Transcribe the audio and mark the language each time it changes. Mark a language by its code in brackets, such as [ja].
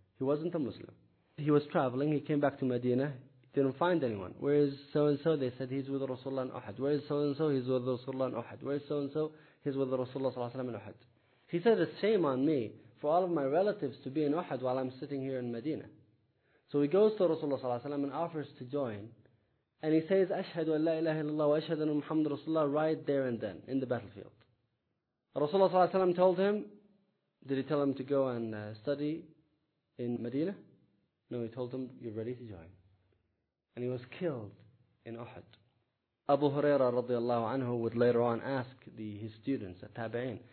[en] He wasn't a Muslim. He was traveling. He came back to Medina. He didn't find anyone. Where is so-and-so? They said he's with Rasulullah in Uhud. Where is so-and-so? He's with Rasulullah in Uhud. Where is so-and-so? He's with Rasulullah sallallahu alayhi wa sallam in Uhud. He said, it's shame on me for all of my relatives to be in Uhud while I'm sitting here in Medina. So he goes to Rasulullah sallallahu alayhi wa sallam and offers to join. And he says, [ar] أشهد أن لا إله إلا الله وأشهد أن محمد رسول الله, [en] right there and then in the battlefield. Rasulullah sallallahu alayhi wa sallam told him, did he tell him to go and study in Medina? No, he told him, you're ready to join. And he was killed in Uhud. Abu Huraira radiallahu anhu would later on ask his students, the Tabi'in.